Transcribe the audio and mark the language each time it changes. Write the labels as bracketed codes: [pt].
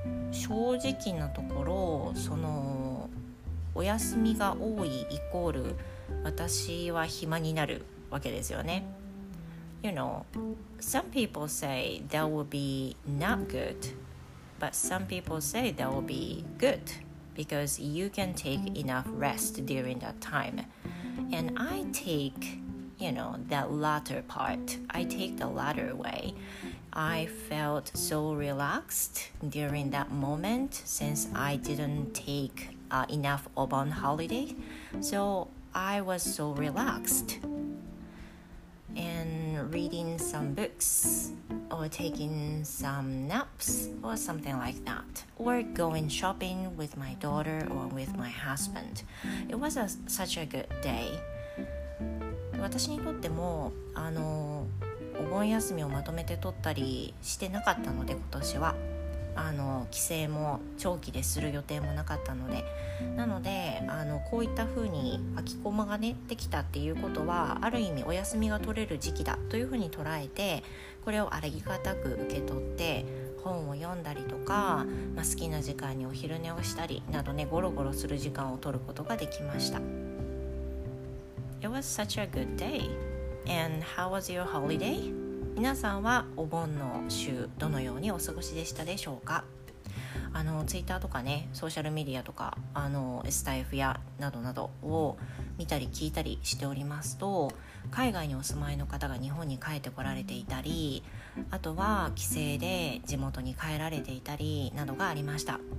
[ja] 正直なところ、そのお休みが多いイコール私は暇になるわけですよね。 [en] You know, some people say that will be not good, but some people say that will be good because you can take enough rest during that time. And I take, you know, that latter part. I take the latter way. I felt so relaxed during that moment since I didn't take enough Obon holiday. So I was so relaxed. And reading some books or taking some naps or something like that. Or going shopping with my daughter or with my husband. It was such a good day. [ja] 私にとっても、お盆休みをまとめて取ったりしてなかったので、今年は帰省も長期でする予定もなかったので、なのでこういった風に空きコマがねできたっていうことは、ある意味お休みが取れる時期だという風に捉えて、これをありがたく受け取って、本を読んだりとか、好きな時間にお昼寝をしたりなどね、ゴロゴロする時間を取ることができました。 [en] It was such a good dayAnd how was your holiday? [ja] 皆さんはお盆の週どのようにお過ごしでしたでしょうか。ツイッターとかね、ソーシャルメディアとか、スタイフやなどなどを見たり聞いたりしておりますと、海外にお住まいの方が日本に帰ってこられていたり、あとは帰省で地元に帰られていたりなどがありました。